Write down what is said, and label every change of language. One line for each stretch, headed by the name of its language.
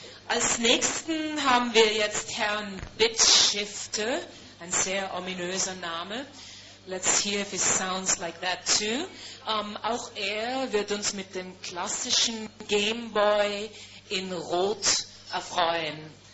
German: Als nächsten haben wir jetzt Herrn Bitshifter, ein sehr ominöser Name.
English: Let's hear if it sounds like that too.
German: Auch er wird uns mit dem klassischen Game Boy in Rot erfreuen.